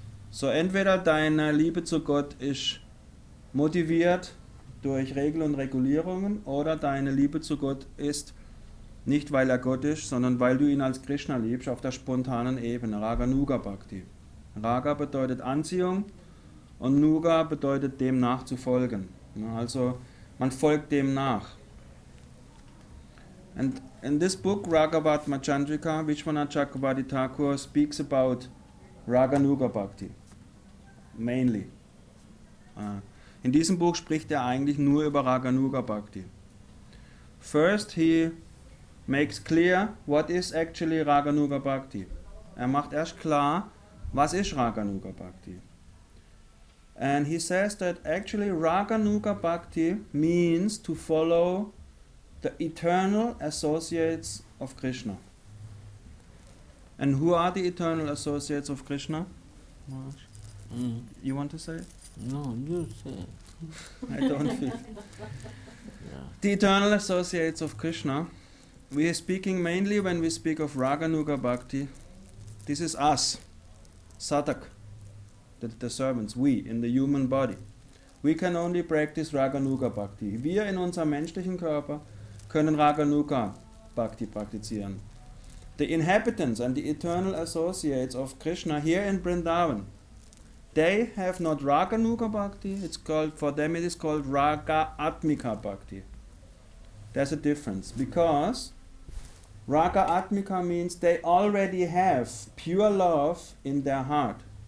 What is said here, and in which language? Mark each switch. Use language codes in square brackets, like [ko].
[de] So, entweder deine Liebe zu Gott ist motiviert durch Regeln und Regulierungen, oder deine Liebe zu Gott ist nicht, weil er Gott ist, sondern weil du ihn als Krishna liebst, auf der spontanen Ebene, Raganuga Bhakti. Raga bedeutet Anziehung und Nuga bedeutet, dem nachzufolgen. Also, man folgt dem nach. [en] And in this book, Raghavat Machandrika, Vishwanath Chakravarti Thakur speaks about Raganuga Bhakti, mainly. [de] In diesem Buch spricht er eigentlich nur über Raganuga Bhakti. [en] First, he makes clear what is actually Raganuga Bhakti. [de] Er macht erst klar, was ist Raganuga Bhakti. [en] And he says that actually Raganuga Bhakti means to follow the eternal associates of Krishna. And who are the eternal associates of Krishna? You want to say it? No, you say it. I don't feel. Yeah. The eternal associates of Krishna. We are speaking mainly when we speak of Raganuga Bhakti. This is us, Satak, the servants, we, in the human body. We can only practice Raganuga Bhakti. [de] Wir in unserem menschlichen Körper können Raganuga Bhakti praktizieren. [en] The inhabitants and the eternal associates of Krishna here in Vrindavan, they have not Raganuga Bhakti, it's called, for them it is called Raga Atmika Bhakti. There's a difference, because Raga Atmika means they already have pure love in their heart.